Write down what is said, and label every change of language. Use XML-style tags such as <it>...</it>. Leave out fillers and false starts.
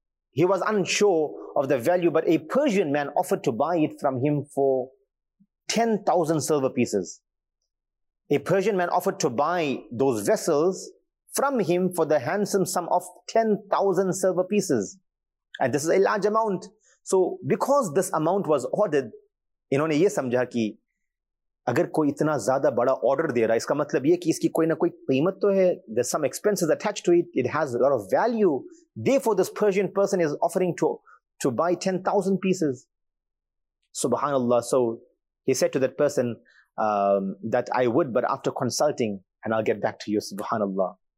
<en>He was unsure of the value, but a Persian man offered to buy it from him for 10,000 silver pieces. A Persian man offered to buy those vessels from him for the handsome sum of 10,000 silver pieces. And this is a large amount.</en> <hi>So because this amount was ordered, इन्होंने ये समझा कि अगर कोई इतना ज़्यादा बड़ा order दे रहा है, इसका मतलब ये कि इसकी कोई ना कोई कीमत तो है.</hi> <en>There's some expenses attached to it. It has a lot of value. Therefore, this Persian person is offering to buy 10,000 pieces. Subhanallah. So he said to that person that I would, but after consulting, and I'll get back to you. Subhanallah.</en>